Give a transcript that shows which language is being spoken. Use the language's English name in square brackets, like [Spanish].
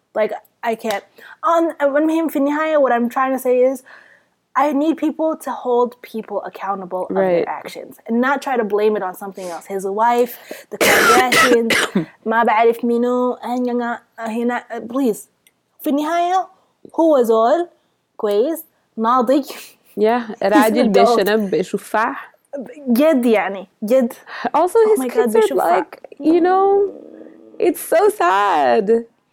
[English] Like, I can't. What I'm trying to say is, I need people to hold people accountable of their actions and not try to blame it on something else. His wife, the Kardashians, [Arabic] ما بعرف مينو, [English] and هنا, please. [Arabic] في النهاية, هو زول كويس ناضج. Yeah, راجل بشنب بشوفاه. جد يعني جد. [English] Also, his kids are like, you know, it's so sad.